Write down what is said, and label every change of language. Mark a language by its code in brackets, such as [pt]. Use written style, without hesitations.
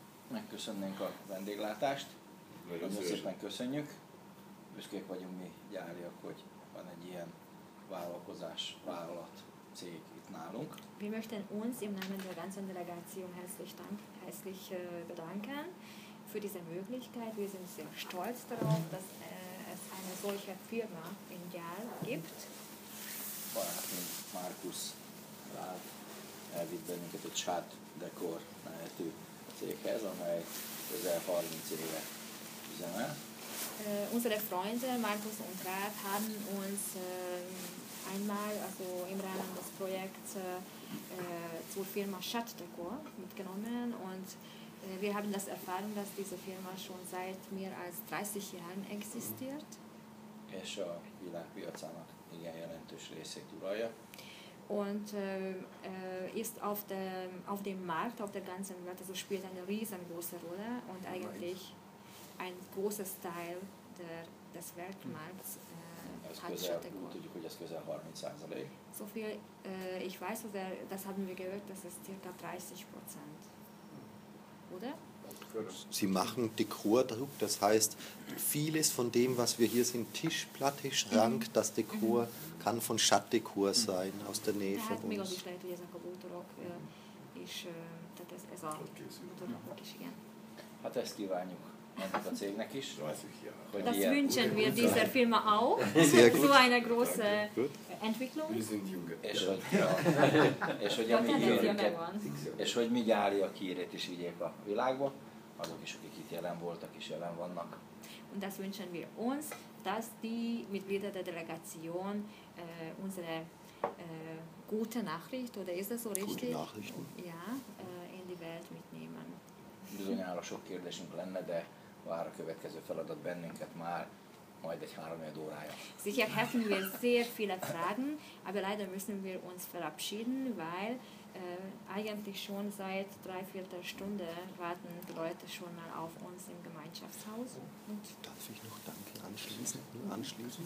[hu] Megköszönnénk a vendéglátást, nagyon szépen köszönjük, büszkék vagyunk mi gyáriak, hogy van egy ilyen vállalkozás, vállalat, cég itt nálunk. [de] Wir möchten uns im Namen der ganzen Delegation herzlich bedanken für diese Möglichkeit. Wir sind sehr stolz darauf, dass es eine solche Firma in Gyál gibt. [hu] Barátunk Markus Rád elvitt bennünket egy Chat Dekor nevetű céghez, amely közel 30 éve üzemel. [de] Unsere Freunde Markus und Rad haben uns einmal, also im Rahmen des Projekts, zur Firma Schattdekor mitgenommen und wir haben das erfahren, dass diese Firma schon seit mehr als 30 Jahren existiert. [hu] És a világpiacának igen jelentős részét uralja. [de] Und ist auf dem Markt, auf der ganzen Welt, also spielt eine riesengroße Rolle und eigentlich ein großes Teil des Weltmarkts hat Schattdekor. [hu] Tudjuk, hogy ez közel 30%. [de] So viel, ich weiß, also, das haben wir gehört, das ist ca. 30%. Oder? Sie machen Dekordruck, das heißt, vieles von dem, was wir hier sind, Tischplatte, Schrank, das Dekor, kann von Schattdekor sein, aus der Nähe von uns. [hu] Tehát még az is lehet, hogy ez a Kabutorok is, tehát ez a Kabutorok is, igen. Hát ezt kívánjuk. A cégnek is. [de] Hogy das wünschen wir dieser Firma auch. So eine große Entwicklung. Wir sind junge. [hu] És hogy, ja. És hogy, ami ilyen, és hogy mi gyáriak hírét is vigyék a világba, azok is, akik itt jelen voltak és jelen vannak. [de] Und das wünschen wir uns, dass die Mitglieder der Delegation unsere gute Nachricht, oder ist das so richtig? Gute Nachrichten. Ja, in die Welt mitnehmen. [hu] Bizonyára sok kérdésünk lenne, de vár a következő feladat bennünket már majd egy 3-4 órája. [de] Sicher hätten wir sehr viele Fragen, aber leider müssen wir uns verabschieden, weil eigentlich schon seit 3/4 Stunde warten die Leute schon mal auf uns im Gemeinschaftshaus. Und darf ich noch Danke anschließen?